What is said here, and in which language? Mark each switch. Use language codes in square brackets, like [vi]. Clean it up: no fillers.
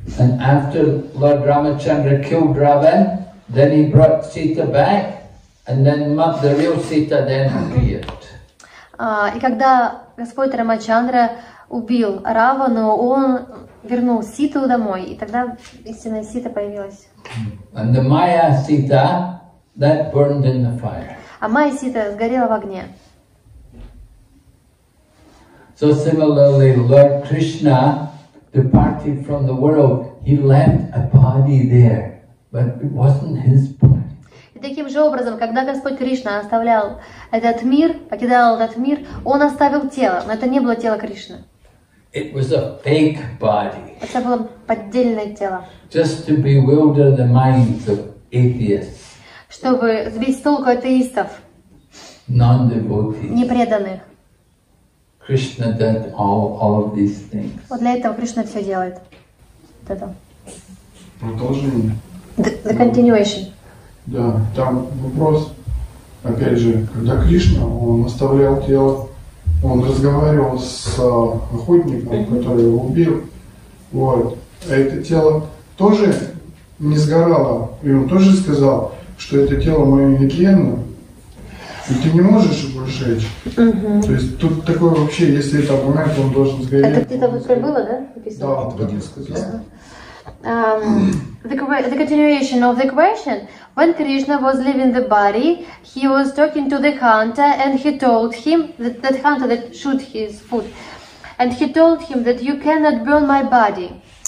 [en] And after Lord Ramachandra killed Ravana, then he brought Sita back, and then the real Sita then appeared. [ru] И когда Господь Рамачандра убил Равану, он вернул Ситу домой, и тогда истинная Сита появилась. [en] And the Maya Sita that burned in the fire. [ru] А Майя Сита сгорела в огне. [en] So similarly, Lord Krishna departed from the world. He left a body there. But it wasn't his body. [ru] И таким же образом, когда Господь Кришна оставлял этот мир, покидал этот мир, он оставил тело, но это не было тело Кришны. [en] It was a fake body. [ru] Это было поддельное тело. [en] Just to bewilder the minds of atheists. [ru] Чтобы сбить с толку атеистов. [en] Non-devotees. [ru] Непреданных. [en] Krishna did all of these things. [ru] Вот для этого Кришна все делает. Вот это. Продолжение. [en] The continuation. [ru] Да, там вопрос, опять же, когда Кришна, он оставлял тело, он разговаривал с охотником, который его убил, вот, а это тело тоже не сгорало, и он тоже сказал, что это тело мое нетленно, и ты не можешь его сжечь. То есть тут такое вообще, если это обмен, то он должен сгореть. Это где-то было, да? Написано? Да, один сказал. [en] The continuation of the question. When Krishna was leaving the body, he was talking to the hunter and he told him that hunter that shoot his foot. And he told him that you cannot burn my body.